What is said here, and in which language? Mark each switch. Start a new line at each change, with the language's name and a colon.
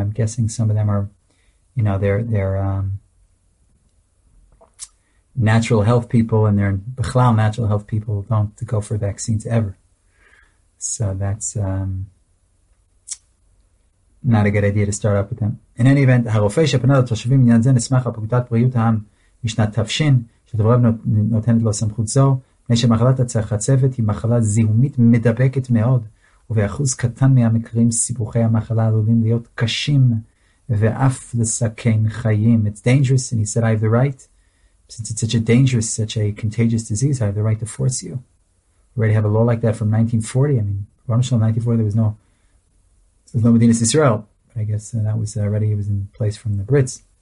English: I'm guessing some of them are, you know, they're natural health people, and they're בכלל natural health people don't go for vaccines ever. So that's not a good idea to start up with them. In any event,
Hebrew: הרופא שפנה לתושבים עניין זה נסמך על פקודת בריאות העם משנת תפשין, שדברו נותנת לו סמכות זו, מפני שמחלת החצבת היא מחלה זיהומית מדבקת מאוד, ובאחוז קטן מהמקרים סיבוכי המחלה עלולים להיות קשים ואף לסכן חיים.
English: It's dangerous, and he said, I have the right. Since it's such a dangerous, such a contagious disease, I have the right to force you. We already have a law like that from 1940. I mean, Ramesh in 1940, there was no... There's no Medina Israel, but I guess that was already, it was in place from the Brits.